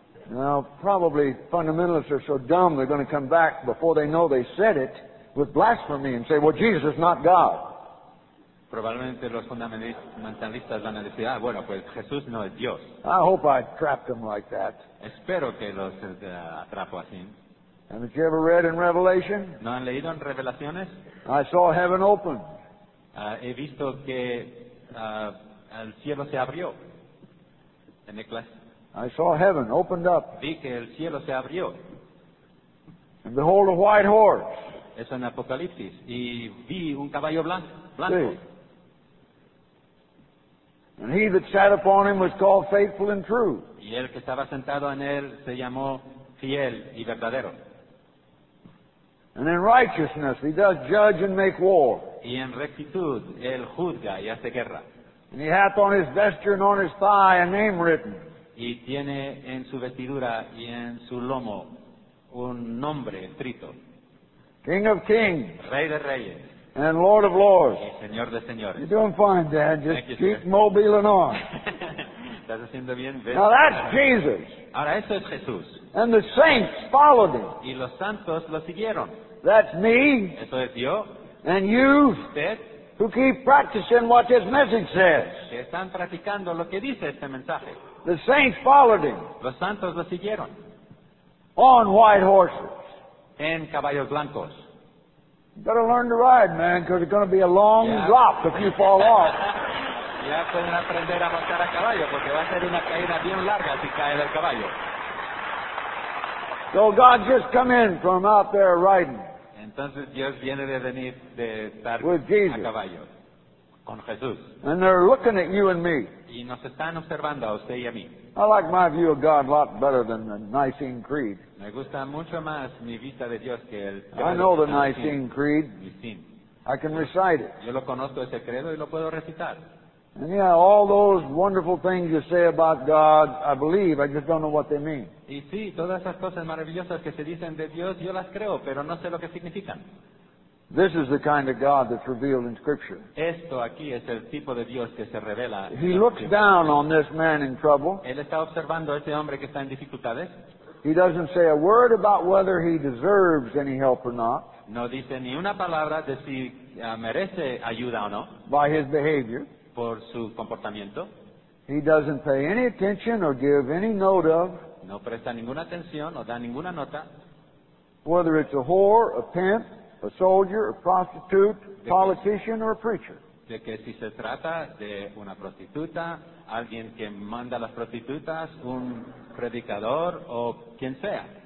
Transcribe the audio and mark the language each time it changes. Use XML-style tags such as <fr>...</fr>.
<en>Now, probably fundamentalists are so dumb they're going to come back before they know they said it with blasphemy and say, well, Jesus is not God.</en> <es>Probablemente los fundamentalistas van a decir, ah, bueno, pues Jesús no es Dios.</es> <en>I hope I trapped them like that.</en> <es>Espero que los atrapo así.</es> <en>Haven't you ever read in Revelation?</en> <es>¿No han leído en Revelaciones?</es> <en>I saw heaven open.</en> <es>He visto que el cielo se abrió. En</es> <en>I saw heaven opened up.</en> <es>Vi que el cielo se abrió.</es> <en>And behold a white horse.</en> <es>Eso en Apocalipsis. Y vi un caballo blanco. Sí.</es> <en>And he that sat upon him was called faithful and true.</en> <es>Y el que estaba sentado en él se llamó fiel y verdadero.</es> <en>And in righteousness he does judge and make war.</en> <es>Y en rectitud él juzga y hace guerra.</es> <en>And he hath on his vesture and on his thigh a name written.</en> <es>Y tiene en su vestidura y en su lomo un nombre escrito.</es> <en>King of kings.</en> <es>Rey de reyes.</es> <en>And Lord of lords.</en> <es>Y Señor de señores.</es> <en>You're doing fine, Dad. Just you, keep sir. Mobiling on.</en> <es>¿Estás haciendo bien?</es> <en>Now that's Jesus.</en> <es>Ahora eso es Jesús.</es> <en>And the saints followed him.</en> <es>Y los santos lo siguieron.</es> <en>That's me.</en> <es>Eso es yo.</es> <en>And you.</en> <es>Usted.</es> <en>Who keep practicing what this message says.</en> <es>Que están practicando lo que dice este mensaje.</es> <en>The saints followed him.</en> <es>Los santos lo siguieron.</es> <en>On white horses.</en> <es>En caballos blancos.</es> <en>You better learn to ride, man, because it's going to be a long drop if you fall off.</en> <es>Ya pueden aprender a montar a caballo porque va a ser una caída bien larga si cae del caballo.</es> <en>So God just come in from out there riding.</en> <es>Entonces Dios viene de venir de estar</es> <en>with Jesus.</en> <es>A caballo con Jesús.</es> <en>And they're looking at you and me.</en> <es>Y nos están observando a usted y a mí.</es> <en>I like my view of God a lot better than the Nicene Creed.</en> <es>Me gusta mucho más mi vista de Dios que el.</es> <en>I know the Nicene Creed. Nicene. I can recite it.</en> <es>Yo lo conozco ese credo y lo puedo recitar.</es> <en>And yeah, all those wonderful things you say about God, I believe. I just don't know what they mean.</en> <es>Y sí, todas esas cosas maravillosas que se dicen de Dios, yo las creo, pero no sé lo que significan.</es> <en>This is the kind of God that's revealed in Scripture.</en> <es>Esto aquí es el tipo de Dios que se revela.</es> <en>He looks down on this man in trouble.</en> <es>Él está observando a este hombre que está en dificultades.</es> <en>He doesn't say a word about whether he deserves any help or not.</en> <es>No dice ni una palabra de si merece ayuda o no.</es> <en>By his behavior.</en> <es>Por su comportamiento.</es> <en>He doesn't pay any attention or give any note of.</en> <es>No presta ninguna atención o da ninguna nota.</es> <en>Whether it's a whore, a pimp, a soldier, a prostitute, a politician, or a preacher.</en> <es>De que si se trata de una prostituta, alguien que manda a las prostitutas, un predicador o quien sea.</es>